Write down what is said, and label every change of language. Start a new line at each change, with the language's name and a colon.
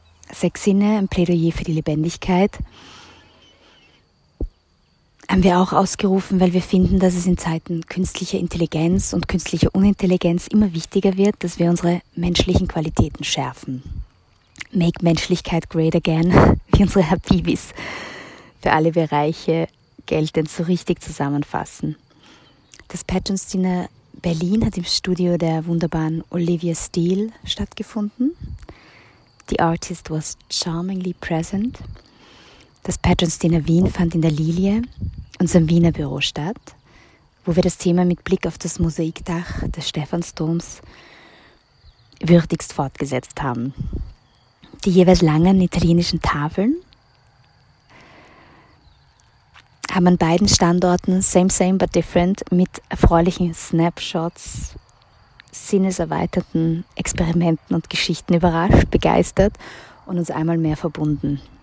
German: Sechs Sinne, ein Plädoyer für die Lebendigkeit, haben wir auch ausgerufen, weil wir finden, dass es in Zeiten künstlicher Intelligenz und künstlicher Unintelligenz immer wichtiger wird, dass wir unsere menschlichen Qualitäten schärfen.
English: Make Menschlichkeit great again,
German: wie unsere Habibis für alle Bereiche geltend so richtig zusammenfassen. Das Patrons Dinner Berlin hat im Studio der wunderbaren Olivia Steele stattgefunden.
English: The artist was charmingly present.
German: Das Patrons Dinner Wien fand in der Lilie, unserem Wiener Büro, statt, wo wir das Thema mit Blick auf das Mosaikdach des Stephansdoms würdigst fortgesetzt haben. Die jeweils langen italienischen Tafeln haben an beiden Standorten,
English: same, same, but different,
German: mit erfreulichen Snapshots, sinneserweiterten Experimenten und Geschichten überrascht, begeistert und uns einmal mehr verbunden.